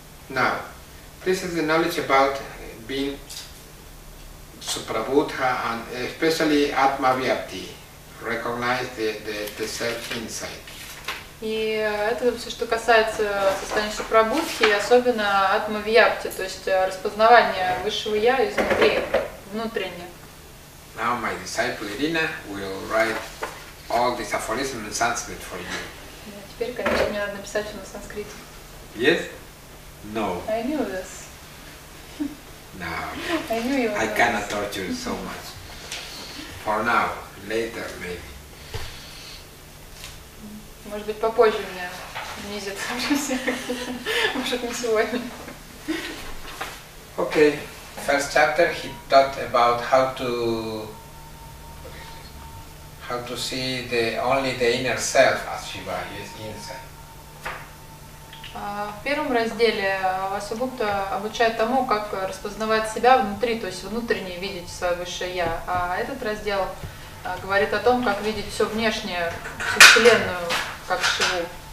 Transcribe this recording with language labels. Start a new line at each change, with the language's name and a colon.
English: Now, this is the knowledge about being Suprabuddha and especially Atma Vyapti. Recognize the self insight.
Russian: И это все, что касается состояния Супрабуддхи, особенно Атма Вьяпти, то есть распознавание высшего Я изнутри, внутренне.
English: Now my disciple Irina will write all these aphorisms in Sanskrit for you.
Russian: Теперь, конечно, мне надо написать все на санскрите.
English: Yes? No. I knew this. Now. I knew you. I cannot torture you so much. For now, later maybe.
Russian: Может быть, попозже меня унизят. Может, не сегодня.
English: Okay. First chapter, he taught about how to see the inner self as Shiva, yes, inside.
Russian: В первом разделе Васубхута обучает тому, как распознавать себя внутри, то есть внутренне видеть свое высшее Я. А этот раздел говорит о том, как видеть все внешнее, всю Вселенную, как Шиву.